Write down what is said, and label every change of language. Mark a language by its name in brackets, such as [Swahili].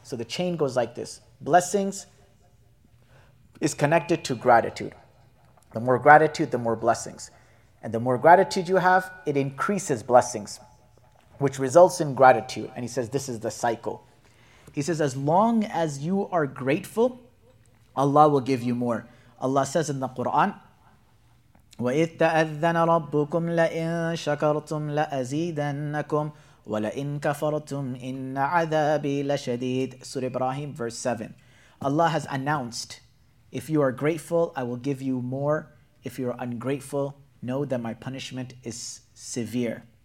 [English] So the chain goes like this. Blessings is connected to gratitude. The more gratitude, the more blessings. And the more gratitude you have, it increases blessings, which results in gratitude. And he says, this is the cycle. He says, as long as you are grateful, Allah will give you more. Allah says in the Quran, [Arabic] وَإِذْ تَأَذَّنَ رَبُّكُمْ لَإِنْ شَكَرْتُمْ لَأَزِيدَنَّكُمْ وَلَإِنْ كَفَرْتُمْ إِنَّ عَذَابِي لَشَدِيدٌ [English] Surah Ibrahim, verse 7. Allah has announced, if you are grateful, I will give you more. If you are ungrateful, know that my punishment is severe.